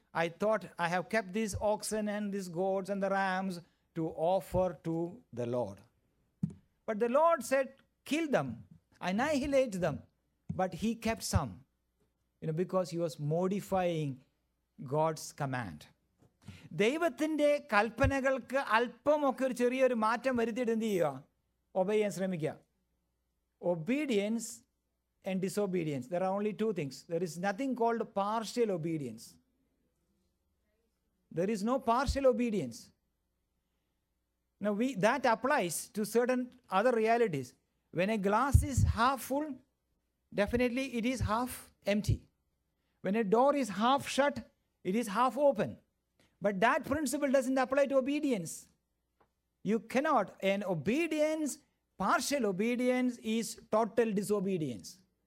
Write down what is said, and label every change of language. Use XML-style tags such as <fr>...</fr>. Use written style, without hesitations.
<en>I thought I have kept these oxen and these goats and the rams to offer to the Lord. But the Lord said, kill them. Annihilate them, but he kept some, you know, because he was modifying God's command.</en> <ml>ദൈവത്തിന്റെ കൽപ്പനകൾക്ക് അല്പമൊക്കെ ഒരു ചെറിയൊരു മാറ്റം വരുത്തിയിട്ട് എന്ത് ചെയ്യുക? ഒബേയാൻ ശ്രമിക്കുക.</ml> <en>Obedience and disobedience, there are only two things. There is nothing called partial obedience. There is no partial obedience. That applies to certain other realities. When a glass is half full, definitely it is half empty. When a door is half shut, it is half open. But that principle doesn't apply to obedience. You cannot. An obedience, partial obedience, is total disobedience.</en>